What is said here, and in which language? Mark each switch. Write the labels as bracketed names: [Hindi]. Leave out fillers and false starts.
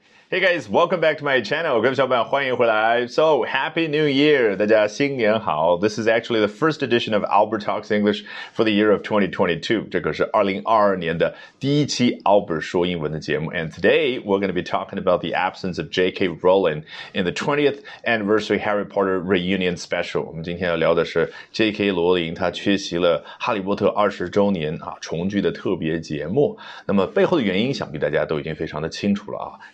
[English] Hey guys, welcome back to my channel. [Chinese] 各位小伙伴，欢迎回来. [English] So happy New Year, [Chinese] 大家新年好. [English] This is actually the first edition of Albert Talks English for the year of 2022. [Chinese] 这可是2022年的第一期 Albert 说英文的节目. [English] And today we're going to be talking about the absence of J.K. Rowling in the 20th anniversary Harry Potter reunion special. [Chinese] 我们今天要聊的是 J.K. 罗琳她缺席了《哈利波特》20周年重聚的特别节目。那么背后的原因，想必大家都已经非常的清楚了啊。